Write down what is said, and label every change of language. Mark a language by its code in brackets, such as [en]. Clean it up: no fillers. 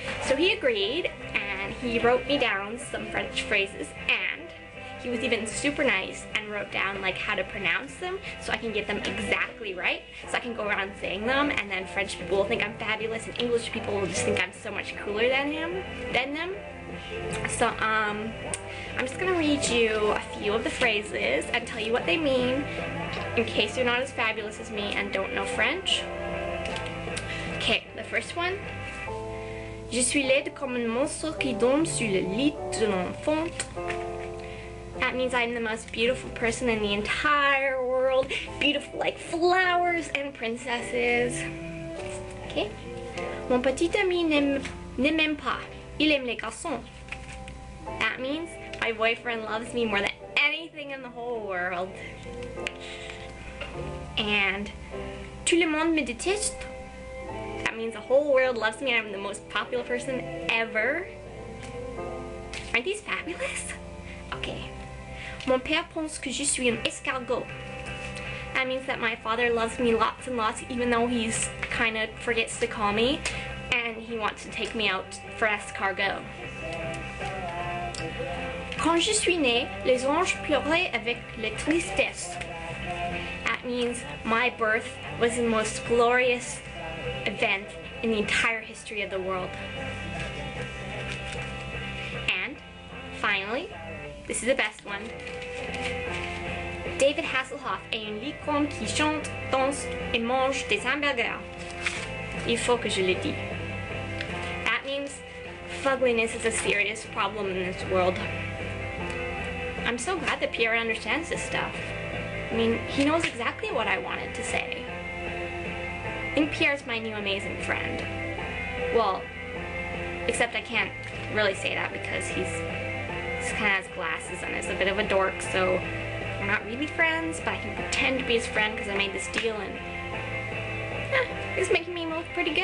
[en] So he agreed, and he wrote me down some French phrases, and he was even super nice and wrote down like how to pronounce them so I can get them exactly right, so I can go around saying them, and then French people will think I'm fabulous and English people will just think I'm so much cooler than him, than them. So I'm just gonna read you a few of the phrases and tell you what they mean in case you're not as fabulous as me and don't know French. Okay, the first one. [fr] Je suis laide comme un monstre qui dorme sur le lit de l'enfant. [en] That means I'm the most beautiful person in the entire world. Beautiful like flowers and princesses. Okay. [fr] Mon petit ami ne m'aime pas. Il aime les garçons. [en] That means my boyfriend loves me more than anything in the whole world. And [fr] tout le monde me déteste. [en] That means the whole world loves me. I'm the most popular person ever. Aren't these fabulous? Okay. [fr] Mon père pense que je suis un escargot. [en] That means that my father loves me lots and lots, even though he's kind of forgets to call me, and he wants to take me out for escargot. [fr] Quand je suis née, les anges pleuraient avec la tristesse. [en] That means my birth was the most glorious event in the entire history of the world. And finally, this is the best one. [fr] David Hasselhoff est une licorne qui chante, danse et mange des hamburgers. Il faut que je le dise. [en] That means fugliness is a serious problem in this world. I'm so glad that Pierre understands this stuff. I mean, he knows exactly what I wanted to say. And Pierre's my new amazing friend. Well, except I can't really say that because he's kind of has glasses and is a bit of a dork, so we're not really friends, but I can pretend to be his friend because I made this deal, and he's making me look pretty good.